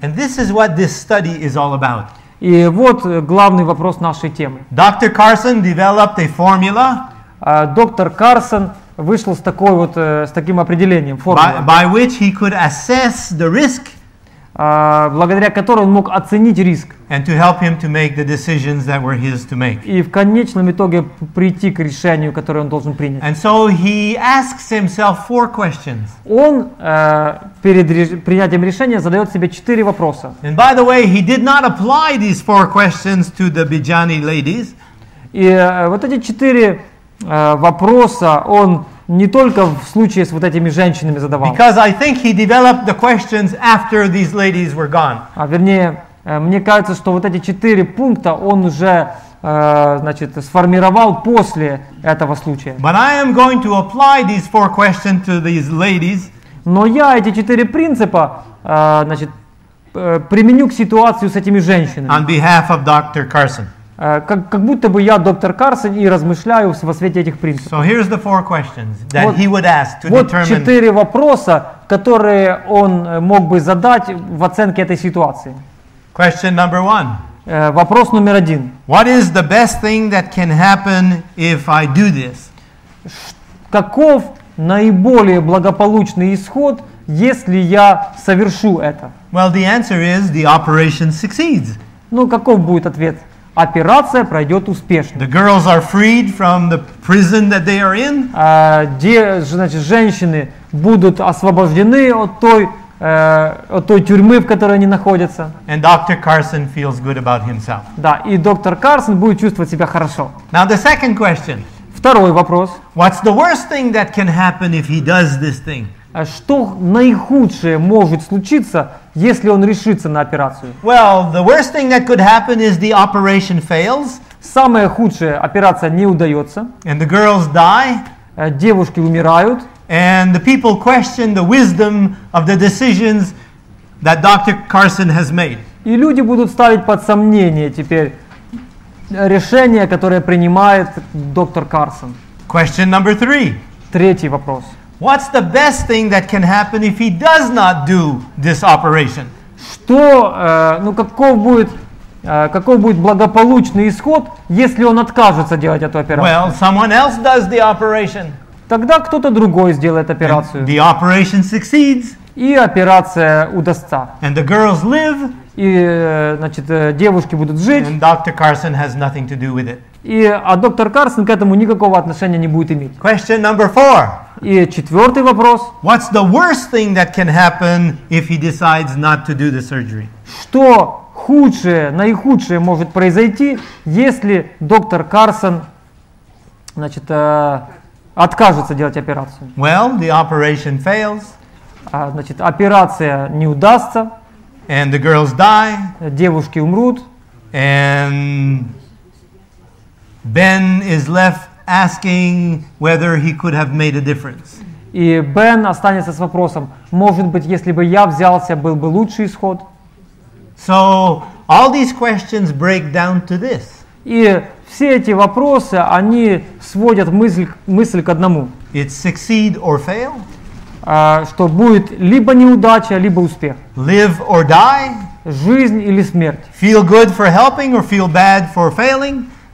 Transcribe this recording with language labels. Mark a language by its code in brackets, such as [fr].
[en] And this is what this study is all about. [ru] И вот главный вопрос нашей темы. [en] Dr. Carson developed a formula. [ru] Доктор Карсон вышел с такой вот, с таким определением, формула. [en] By which he could assess the risk. [ru] Благодаря которой он мог оценить риск. [en] And to help him to make the decisions that were his to make. [ru] И в конечном итоге прийти к решению, которое он должен принять. [en] And so he asks himself four questions. [ru] Он перед принятием решения задает себе четыре вопроса. [en] And by the way, he did not apply these four questions to the Bijani ladies. [ru] И вот эти четыре вопроса он не только в случае с вот этими женщинами задавал. [en] Because I think he developed the questions after these ladies were gone. [ru] А вернее, мне кажется, что вот эти четыре пункта он уже, значит, сформировал после этого случая. [en] But I am going to apply these four questions to these ladies. [ru] Но я эти четыре принципа, значит, применю к ситуации с этими женщинами. [en] On behalf of Dr. Carson. [ru] Как будто бы я доктор Карсон и размышляю во свете этих принципов. [en] So here's the four questions that he would ask to [ru] вот [en] determine. [ru] Вот четыре вопроса, которые он мог бы задать в оценке этой ситуации. [en] Question number one. [ru] Вопрос номер один. [en] What is the best thing that can happen if I do this? [ru] Каков наиболее благополучный исход, если я совершу это? [en] Well, the answer is the operation succeeds. [ru] Ну, каков будет ответ? Операция пройдет успешно. [en] The girls are freed from the prison that they are in. [ru] Женщины будут освобождены от той той тюрьмы, в которой они находятся. [en] And Dr. Carson feels good about himself. [ru] Да, и доктор Карсон будет чувствовать себя хорошо. [en] Now the second question. [ru] Второй вопрос. [en] What's the worst thing that can happen if he does this thing? [ru] Что наихудшее может случиться, если он решится на операцию? [en] Well, the worst thing that could happen is the operation fails. [ru] Самое худшее, операция не удается. [en] And the girls die. [ru] Девушки умирают. [en] And the people question the wisdom of the decisions that Dr. Carson has made. [ru] И люди будут ставить под сомнение теперь решение, которое принимает доктор Карсон. [en] Question number three. [ru] Третий вопрос. [en] What's the best thing that can happen if he does not do this operation? [ru] Что, ну каков будет благополучный исход, если он откажется делать эту операцию? [en] Well, someone else does the operation. [ru] Тогда кто-то другой сделает операцию. [en] And the operation succeeds. [ru] И операция удастся. [en] And the girls live. [ru] И, значит, девушки будут жить. [en] And Dr. Carson has nothing to do with it. [ru] А доктор Карсон к этому никакого отношения не будет иметь. [en] Question number four. [ru] И четвертый вопрос. [en] What's the worst thing that can happen if he decides not to do the surgery? [ru] Что худшее, наихудшее может произойти, если доктор Карсон, значит, откажется делать операцию? [en] Well, the operation fails. [ru] Значит, операция не удастся. [en] And the girls die. [ru] Девушки умрут. [en] And Ben is left asking whether he could have made a difference. [ru] И Бен останется с вопросом: может быть, если бы я взялся, был бы лучший исход? [en] So all these questions break down to this. [ru] И все эти вопросы, они сводят мысль к одному. [en] It succeed or fail? [ru] Что будет либо неудача, либо успех. [en] Live or die? [ru] Жизнь или смерть. [en] Feel good for helping or feel bad for failing?